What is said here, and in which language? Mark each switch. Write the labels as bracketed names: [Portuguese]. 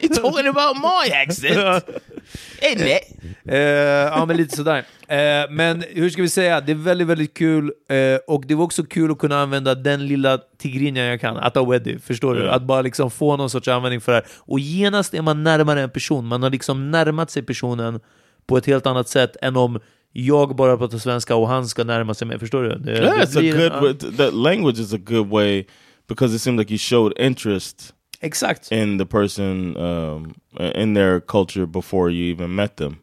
[English] You talking about my accent? Isn't it? [Swedish] Men lite sådär. Men hur ska vi säga? Det är väldigt, väldigt kul. Och det var också kul att kunna använda den lilla tigrinjan jag kan. Att ha weddy, förstår du? Att bara liksom få någon sorts användning för det här. Och genast är man närmare en person. Man har liksom närmat sig personen på ett helt annat sätt än om jag bara pratar svenska och han ska närma sig mig, förstår du? [English] That language is a good way because it seemed like you showed interest. [Swedish] Exakt. [English] In the person in their culture before you even met them.